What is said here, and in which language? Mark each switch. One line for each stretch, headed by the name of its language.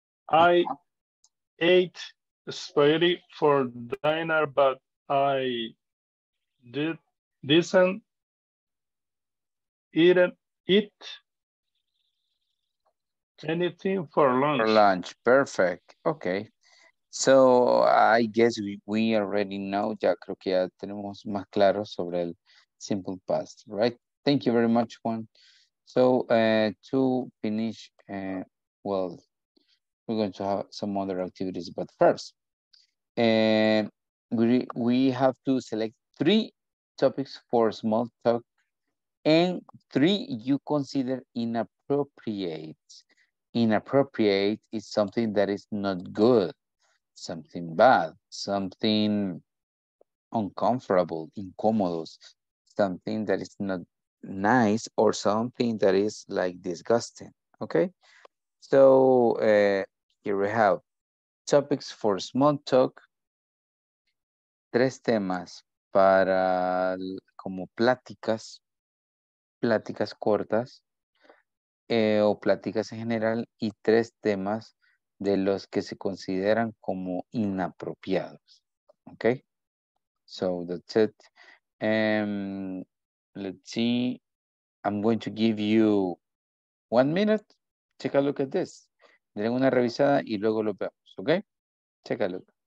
English: I ate spaghetti for dinner, but I didn't eat anything for lunch. For lunch, perfect. Okay, so I guess we already know.
Spanish: Ya creo que ya tenemos más claro sobre el simple past, right?
English: Thank you very much, Juan. So to finish, well, we're going to have some other activities, but first. And we have to select three topics for small talk and three you consider inappropriate. Inappropriate is something that is not good, something bad, something uncomfortable, incomodos, something that is not nice or something that is like disgusting, okay? So here we have topics for small talk.
Spanish: Tres temas para como pláticas cortas o pláticas en general y tres temas de los que se consideran como inapropiados.
English: Okay, so that's it. Let's see, I'm going to give you 1 minute. Take a look at this.
Spanish: Den una revisada y luego lo vemos.
English: Okay, take a look.